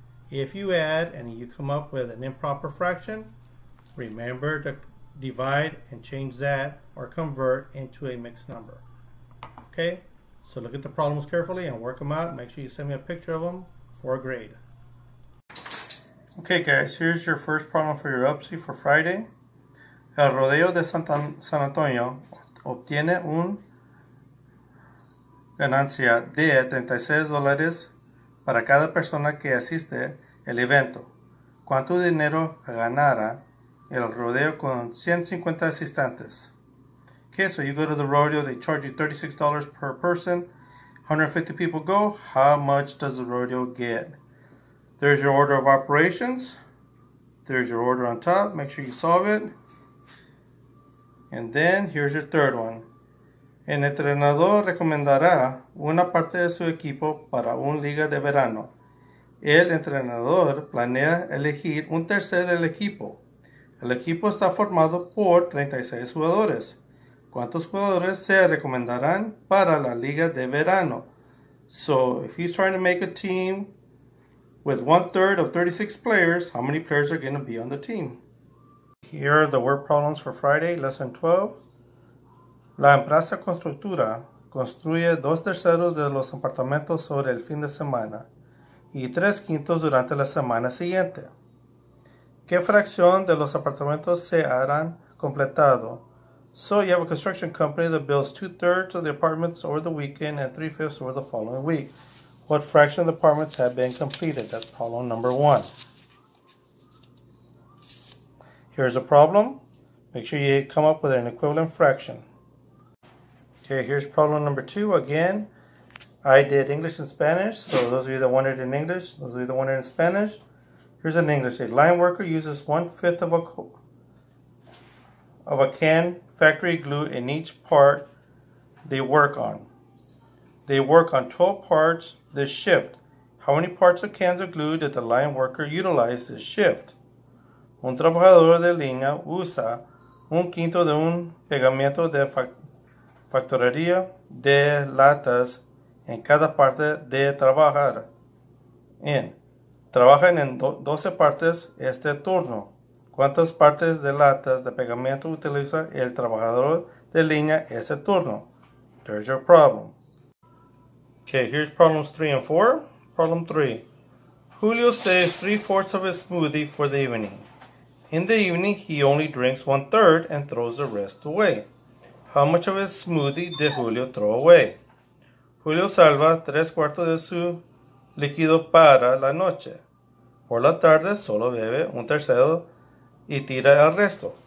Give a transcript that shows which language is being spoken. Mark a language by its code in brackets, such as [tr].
[en] If you add and you come up with an improper fraction, remember to divide and change that or convert into a mixed number. Okay, so look at the problems carefully and work them out. Make sure you send me a picture of them for a grade. Okay, guys, here's your first problem for your UPSI for Friday. [es] El rodeo de San Antonio obtiene un ganancia de $36 para cada persona que asiste el evento. ¿Cuánto dinero ganará el rodeo con 150 asistentes? [en] Okay, so you go to the rodeo, they charge you $36 per person, 150 people go, how much does the rodeo get? There's your order of operations, there's your order on top, make sure you solve it. And then here's your third one. [es] El entrenador recomendará una parte de su equipo para un liga de verano. El entrenador planea elegir un tercer del equipo. El equipo está formado por 36 jugadores. ¿Cuántos jugadores se recomendarán para la liga de verano? [en] So, if he's trying to make a team with one third of 36 players, how many players are going to be on the team? Here are the word problems for Friday, lesson 12. [es] La empresa constructora construye 2/3 de los apartamentos sobre el fin de semana y 3/5 durante la semana siguiente. ¿Qué fracción de los apartamentos se harán completado? [en] So you have a construction company that builds 2/3 of the apartments over the weekend and 3/5 over the following week. What fraction of the apartments have been completed? That's problem number 1. Here's a problem. Make sure you come up with an equivalent fraction. Okay, here's problem number 2. Again, I did English and Spanish. So those of you that wanted in English, those of you that wanted in Spanish, here's an English. A line worker uses 1/5 of a of a can factory glue in each part they work on. They work on 12 parts this shift. How many parts of cans of glue did the line worker utilize this shift? [es] Un trabajador de línea usa un quinto de un pegamento de factoría de latas en cada parte de trabajar. En trabajan en 12 partes este turno. ¿Cuántas partes de latas de pegamento utiliza el trabajador de línea ese turno? [en] There's your problem. Okay, here's problems 3 and 4. Problem 3. Julio saves 3/4 of his smoothie for the evening. In the evening, he only drinks 1/3 and throws the rest away. How much of his smoothie did Julio throw away? [es] Julio salva 3/4 de su líquido para la noche. Por la tarde, solo bebe 1/3 y tira el resto.